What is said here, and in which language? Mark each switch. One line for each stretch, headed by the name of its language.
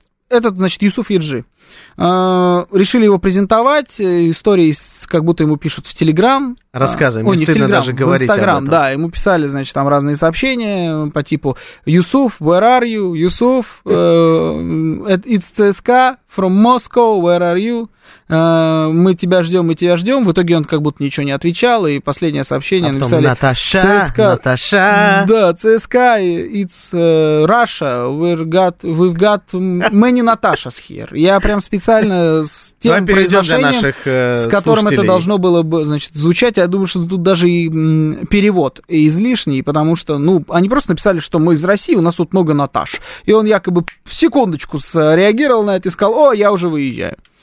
Russian: Этот, значит, Юсуф Еджи. Решили его презентовать. Истории, как будто ему пишут в Телеграм. Рассказывай, мне стыдно даже говорить об этом. В Инстаграм, да, ему писали, значит, там разные сообщения по типу «Юсуф,
English: where are you? Юсуф, it's CSKA from Moscow, where are you?
Russian: Мы тебя ждем, мы тебя ждем». В итоге он как будто ничего не отвечал, и последнее сообщение написали «Наташа, CSKA, Наташа». Да,
English: CSKA, it's Russia, we've got many Natashas here.
Russian: Я прям специально с тем произношением, наших, с которым слушателей. Это должно было бы, значит, звучать. Я думаю, что тут даже и перевод излишний, потому что, ну, они просто написали, что мы из России, у нас тут много Наташ. И он якобы секундочку среагировал на это и сказал: «О, я уже выезжаю».